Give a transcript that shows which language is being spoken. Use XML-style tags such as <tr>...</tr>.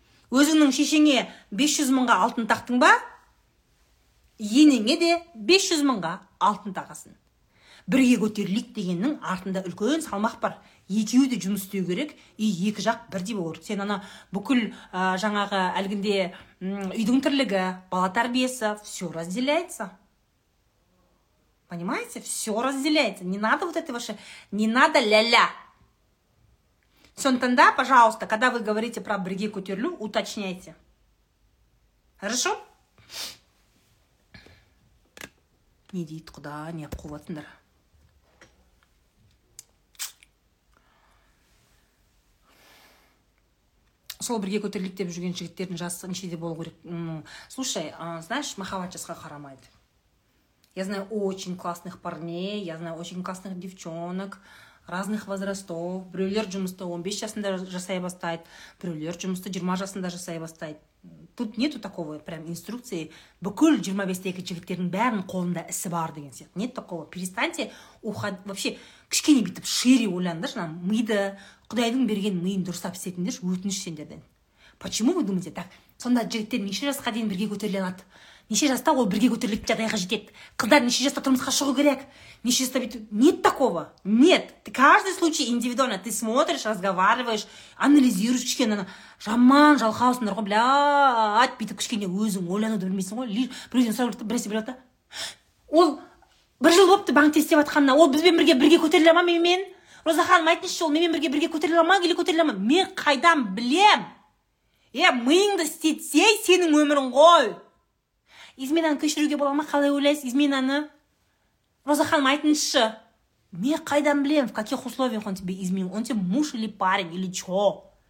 <kk>Өзіңнің шешеңе 500 мыңға алтын тақтың ба? Енеңе де 500 мыңға алтын тағасын. Бірге көтерілік дегеннің артында үлкен салмақ бар. Екеуі де жұмыс істеу керек, и екі жақ бірдей болу керек. Сен ана бүкіл жаңағы әлгінде үйдің тірлігі, бала тәрбиесі,</kk> <ru>все разделяется. Понимаете? Все разделяется. Не надо вот это ваше, не надо ля-ля. Сондықтан да, пожалуйста, когда вы говорите про бірге көтерілу, уточняйте. Хорошо?</ru> <kk>Не дейді құда, не ап қолатындар. Сол бірге көтерілік деп жүрген жігіттердің жасы нешеде болу керек?</kk> <ru>Слушай, знаешь,</ru> <kk>махаббат жасқа қарамайды.</kk> <ru>Я знаю очень классных парней, я знаю очень классных девчонок, разных возрастов.</ru> <kk>Біреулер жұмысты 15 жасында жасай бастайды, біреулер жұмысты 20 жасында жасай бастайды.</kk> <ru>Тут нету такого прям инструкции.</ru> <kk>Бүкіл 25-тегі жігіттердің бәрін қолында ісі бар деген сияқты.</kk> <ru>Нет такого. Перестаньте уходить.</ru> <kk>Вообще, кішкене бүйтіп шири ойландыршы, миды, Құдайдың берген миын дұрыстап істейтіндерші, өтініш сендерден.</kk> <ru>Почему вы думаете так?</ru> <kk>Сонда жігіттер неше жасқа дейін бірге көтеріле алады? Неше жаста ол бірге көтерілік жағдайға жетеді? Қыздар неше жаста тұрмысқа шығу керек? Неше жаста бүйтіп?</kk> <ru>Нет такого. Нет. Каждый случай индивидуально. Ты смотришь, разговариваешь, анализируешь,</ru> <kk>кішкене ана жаман жалқаусыңдар ғой, блядь, бүйтіп кішкене өзің ойлануды білмейсің ғой. Біреуден сұрап жатып, біресе біреу айтады. Ол бір жыл болыпты банкте істеп жатқанына, ол бізбен бірге көтеріле ма мен? Роза ханым, айтыңызшы, ол менімен бірге көтеріле ма, или көтеріле ма? Мен қайдан білем? Миыңды істетсе сенің өмірің ғой. Изменаны кешіруге бола ма, қалай ойлайсыз изменаны? Роза ханым, айтыңызшы, мен қайдан білем,</kk> <ru>в каких условиях он тебе изменил? Он тебе муж или парень, или чё?</ru>